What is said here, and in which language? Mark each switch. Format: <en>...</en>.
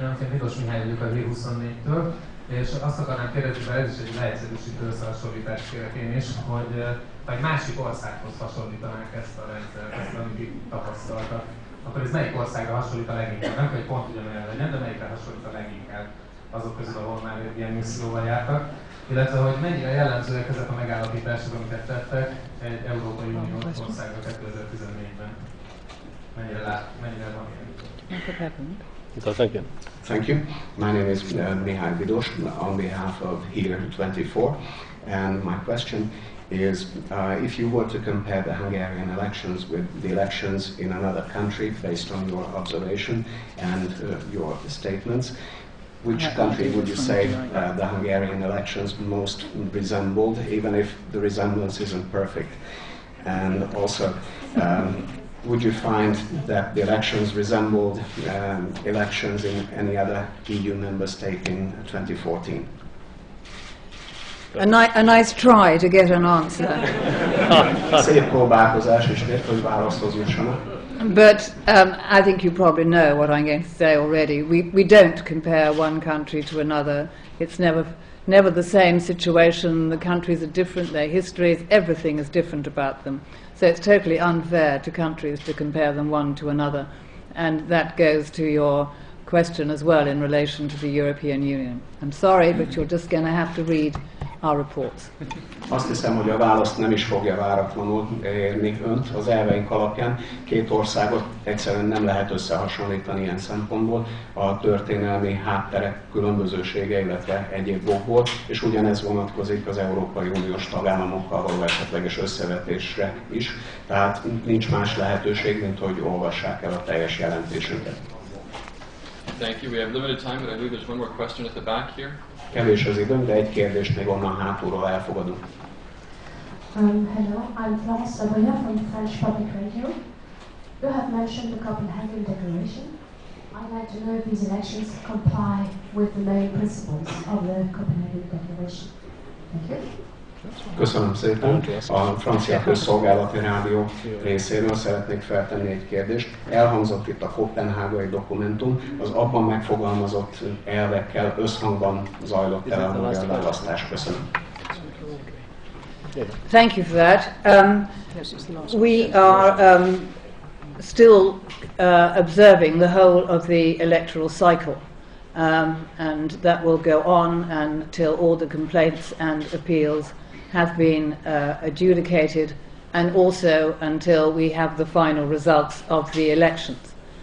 <hu>Vitos Mihály vagyok a G24-től, és azt akarnám kérdezni, mert ez is egy leegyszerűsítő összehasonlítás kérdés, is, hogy egy másik országhoz hasonlítanánk ezt a rendszert, ezt amit tapasztaltak, akkor ez melyik országra hasonlít a leginkább? Nem, hogy pont ugyanolyan legyen, de melyikre hasonlít a leginkább azok közül, ahol már ilyen misszióval jártak. Illetve, hogy mennyire jellemzőek ezek a megállapítások, amiket tettek egy Európai Unió országra 2014-ben? Mennyire van ilyen?</hu> <en>Thank you. My name is Mihály Vidos on behalf of HR24, and my question is if you were to compare the Hungarian elections with the elections in another country based on your observation and your statements, which country would you say the Hungarian elections most resembled, even if the resemblance isn't perfect? And also, would you find that the elections resembled elections in any other EU member state in 2014? A nice try to get an answer.</en> <hu>Szép próbálkozás, és miért, hogy választhoz jussanak?</hu> <en>But I think you probably know what I'm going to say already. We don't compare one country to another. It's never the same situation. The countries are different. Their histories, everything is different about them. So it's totally unfair to countries to compare them one to another. And that goes to your question as well in relation to the European Union. I'm sorry, but you're just going to have to read our report.</en> <hu>Azt hiszem, hogy a választ nem is fogja váratlanul érni önt az elveink alapján. Két országot egyszerűen nem lehet összehasonlítani ilyen szempontból. A történelmi hátterek különbözősége, illetve egyéb okból, és ugyanez vonatkozik az Európai Uniós tagállamokkal való esetleges összevetésre is. Tehát nincs más lehetőség, mint hogy olvassák el a teljes jelentésünket.</hu> <en>Thank you. We have limited time, but I believe there's one more question at the back here.</en> <hu>Kevés az időm, de egy kérdést még onnan hátulról elfogadunk.</hu> <en>Hello, I'm Florence Savoya from French Public Radio. You have mentioned the Copenhagen Declaration. I'd like to know if these elections comply with the main principles of the Copenhagen Declaration. Thank you.</en> <hu>Köszönöm szépen. A francia közszolgálati rádió részéről szeretnék feltenni egy kérdést. Elhangzott itt a koppenhágai dokumentum, az abban megfogalmazott elvekkel összhangban zajlott el a magyar választás. Köszönöm.</hu> <en>Thank you for that. We are still observing the whole of the electoral cycle. And that will go on until all the complaints and appeals have been adjudicated, and also until we have the final results of the elections.</en>